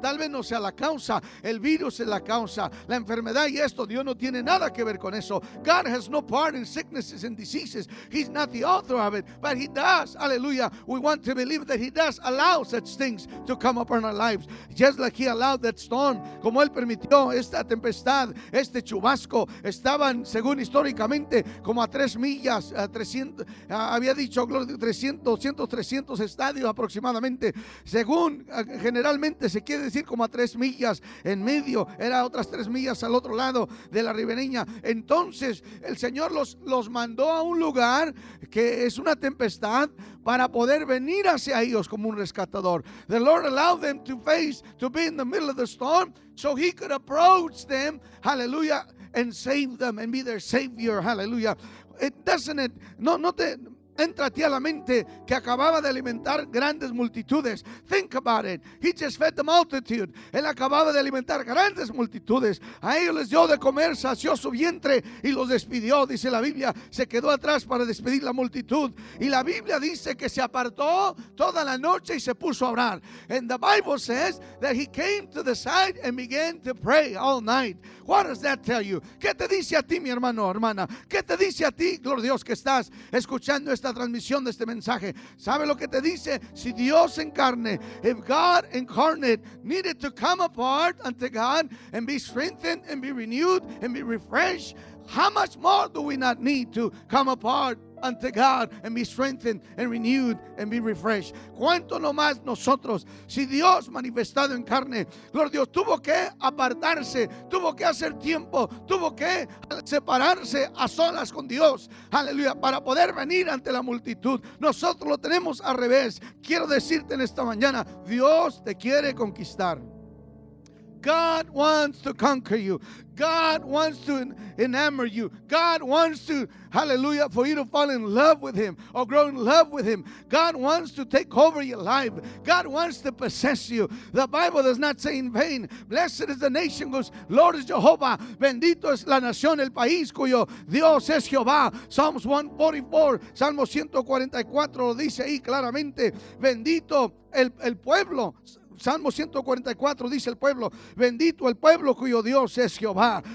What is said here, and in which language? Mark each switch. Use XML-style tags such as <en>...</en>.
<es>Tal vez no sea la causa, el virus es la causa, la enfermedad y esto, Dios no tiene nada que ver con eso.</es> <en>God has no part in sicknesses and diseases. He's not the author of it, but he does, hallelujah, we want to believe that he does allow such things to come upon our lives, just like he allowed the that storm,</en> <es>como Él permitió esta tempestad, este chubasco. Estaban, según históricamente, como a 3 millas, a 300, había dicho 300 estadios aproximadamente. Según generalmente se quiere decir como a 3 millas en medio, era otras 3 millas al otro lado de la ribereña. Entonces el Señor los mandó a un lugar que es una tempestad para poder venir hacia ellos como un rescatador.</es> <en>The Lord allowed them to face, to be in the middle of the storm, so He could approach them, hallelujah, and save them and be their Savior, hallelujah. It doesn't it,</en> <es>no, no te entra a ti a la mente que acababa de alimentar grandes multitudes.</es> <en>Think about it. He just fed the multitude.</en> <es>Él acababa de alimentar grandes multitudes. A ellos les dio de comer, sació su vientre y los despidió. Dice la Biblia, se quedó atrás para despedir la multitud. Y la Biblia dice que se apartó toda la noche y se puso a orar.</es> <en>And the Bible says that he came to the side and began to pray all night. What does that tell you?</en> <es>¿Qué te dice a ti, mi hermano, hermana? ¿Qué te dice a ti, gloria a Dios, que estás escuchando esta transmisión de este mensaje? ¿Sabe lo que te dice? Si Dios en carne,</es> <en>if God incarnate needed to come apart unto God and be strengthened and be renewed and be refreshed, how much more do we not need to come apart unto God and be strengthened and renewed and be refreshed?</en> <es>¿Cuánto no más nosotros? Si Dios manifestado en carne, gloria Dios, tuvo que apartarse, tuvo que hacer tiempo, tuvo que separarse a solas con Dios, aleluya, para poder venir ante la multitud. Nosotros lo tenemos al revés. Quiero decirte en esta mañana, Dios te quiere conquistar.</es> <en>God wants to conquer you. God wants to enamor you. God wants to, hallelujah, for you to fall in love with Him or grow in love with Him. God wants to take over your life. God wants to possess you. The Bible does not say in vain. Blessed is the nation whose Lord is Jehovah.</en> <es>Bendito es la nación, el país cuyo Dios es Jehová. Psalms 144, Salmo 144 lo dice ahí claramente. Bendito el pueblo. Salmo 144 dice el pueblo, bendito el pueblo cuyo Dios es Jehová.</es>